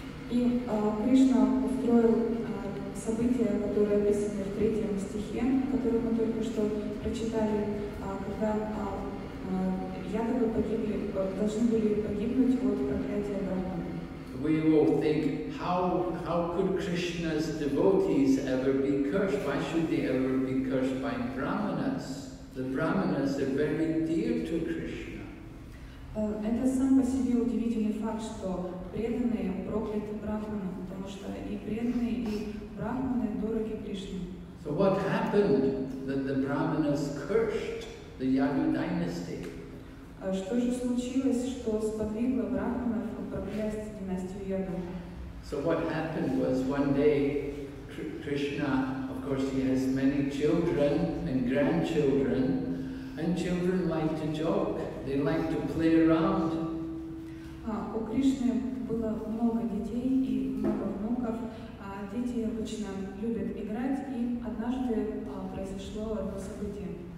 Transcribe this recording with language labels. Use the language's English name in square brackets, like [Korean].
[Russian] И Кришна устроил события, которые описаны в третьем стихе, который мы только что прочитали, когда якобы погибли, должны были погибнуть от проклятия Брахмана. [English] We will think, how could Krishna's devotees ever be cursed? Why should they ever be cursed by Brahmanas? The Brahmanas are very dear to Krishna. [Russian] Это сам по себе удивительный факт, что преданные прокляты Брахманом, потому что и преданные, и Брахманы дороги Кришне. [English] So what happened that the Brahmanas cursed the Yadu dynasty? [Russian] Что же случилось, что сподвигло Брахманов проклясть династию Яду? [English] So what happened was one day Krishna, of course he has many children and grandchildren, and children like to joke, they like to play around. [Russian] У Кришны было много детей и много внуков, дети обычно любят играть, и однажды произошло одно событие.